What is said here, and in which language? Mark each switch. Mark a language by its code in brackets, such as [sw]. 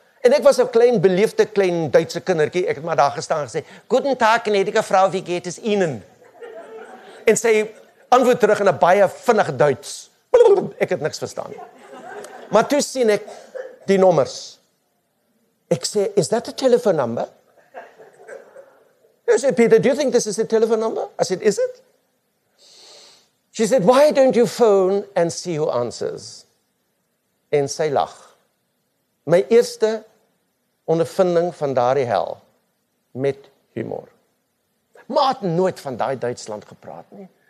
[af] En ek was 'n klein, beleefde, klein Duitse kindertjie. Ek het maar daar gestaan en gesê, [de] Guten Tag, gnädige Frau, wie geht es Ihnen? [af] En sy antwoord terug in 'n baie vinnig Duits. Ek het niks verstaan. Maar toe sien ek die nommers. Ek sê, [en] is that a telephone number? Ek sê, Peter, do you think this is a telephone number? I said, is it? She said, why don't you phone and see who answers? [af] En sy lag. My eerste ondervinding van daardie hel met humor. Ma het nooit van daai Duitsland gepraat nie.